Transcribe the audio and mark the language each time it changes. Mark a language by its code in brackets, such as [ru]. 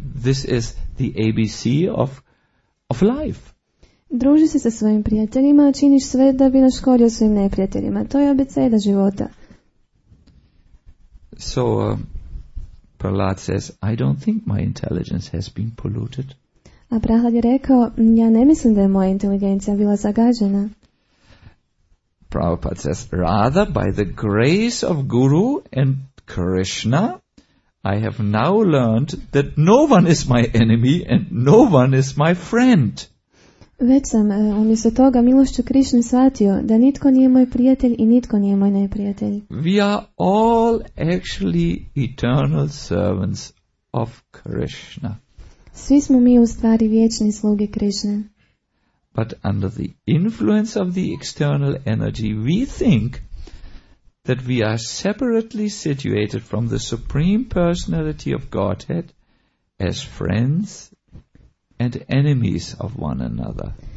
[en] This is the ABC of life. [hr] Druži se sa svojim prijateljima, a činiš sve da bi naškodio svojim neprijateljima. To je abeceda života. [en] So, Prahlad says, I don't think my intelligence has been polluted. [hr] A Prahlad je rekao, ja ne mislim da je moja inteligencija bila zagađena. [en] Prabhupada says, rather by the grace of Guru and Krishna, I have now learned that no one is my enemy and no one is my friend. [hr] Već sam umjesto toga milošću Krišne shvatio da nitko nije moj prijatelj i nitko nije moj neprijatelj. [en] We are all actually eternal servants of Krishna. [hr] Svi smo mi u stvari vječni sluge Krišne. [en] But under the influence of the external energy, we think that we are separately situated from the Supreme Personality of Godhead as friends and enemies of one another.